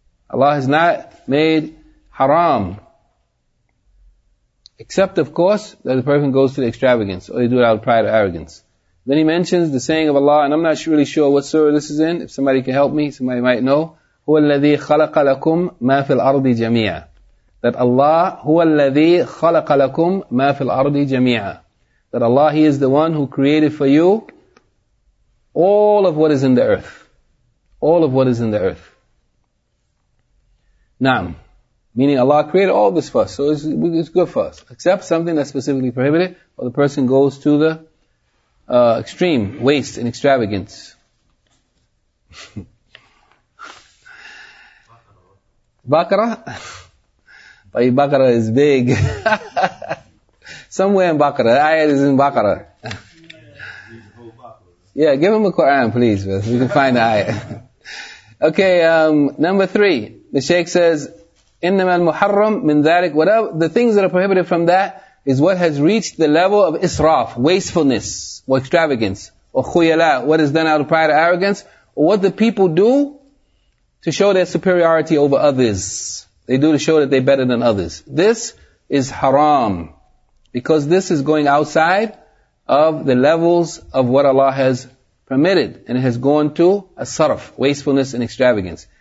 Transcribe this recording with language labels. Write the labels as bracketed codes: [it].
[en] Allah has not made haram, except, of course, that the person goes to the extravagance, or they do it out of pride or arrogance. Then he mentions the saying of Allah, and I'm not really sure what surah this is in. If somebody can help me, somebody might know. [ar] هُوَ الَّذِي خَلَقَ لَكُمْ مَا فِي الْأَرْضِ جَمِيعًا. [en] That Allah, [ar] هُوَ الَّذِي خَلَقَ لَكُمْ مَا فِي الْأَرْضِ جَمِيعًا. [en] That Allah, He is the one who created for you all of what is in the earth. All of what is in the earth. Naam. Meaning Allah created all this for us, so it's good for us. Except something that's specifically prohibited, or the person goes to the extreme waste and extravagance. Baqarah? Baqarah? Baqarah is big. Somewhere in Baqarah, the ayah is in Baqarah. Yeah, give him a Quran, please, so we can find the ayah. Okay, number three. The Shaykh says, [ar] إِنَّمَا الْمُحَرَّمْ مِنْ ذَلِكَ. [en] Whatever, the things that are prohibited from that is what has reached the level of israf, wastefulness, or extravagance, or khuyala, what is done out of pride or arrogance, or what the people do to show their superiority over others. They do to show that they're better than others. This is haram, because this is going outside of the levels of what Allah has permitted, and it has gone to asraf, wastefulness and extravagance.